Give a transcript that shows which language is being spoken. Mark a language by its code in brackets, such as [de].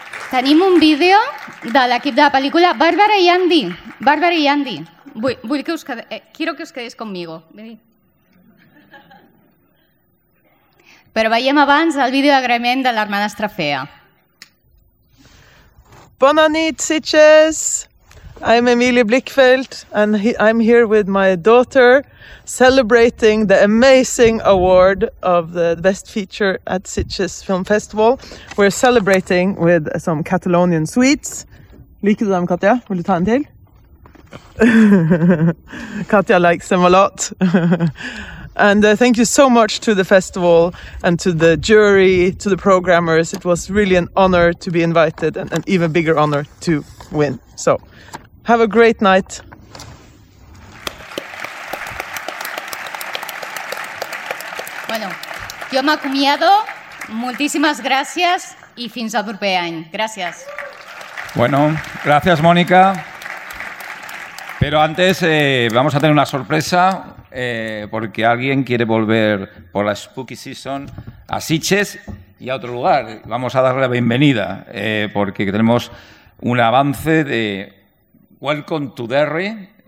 [ca] Tenim un vídeo de l'equip de la pel·lícula, Bàrbara i Andy. Bàrbara i Andy, vull que us quiero que us quedeu conmigo. [es] Venid. [ca] Però veiem abans el vídeo d'agraïment de l'hermanastra fea. Bona nit, Sitges! [en] I'm Emilie Blickfeldt and I'm here with my daughter celebrating the amazing award of the best feature at Sitges Film Festival. We're celebrating with some Catalonian sweets. [no] Liker du dem, Katja? Vil du ta en til? [en] Katja likes them a lot. And thank you so much to the festival and to the jury, to the programmers. It was really an honor to be invited and an even bigger honor to win. So, have a great night. [ca] Bueno, jo m'acomiado. Moltíssimes gràcies i fins al proper any. Gràcies. Bueno, gràcies, Mònica. [es] Pero antes vamos a tener una sorpresa porque alguien quiere volver por la Spooky Season a Sitges y a otro lugar. Vamos a darle la bienvenida porque tenemos un avance de Welcome to Derry.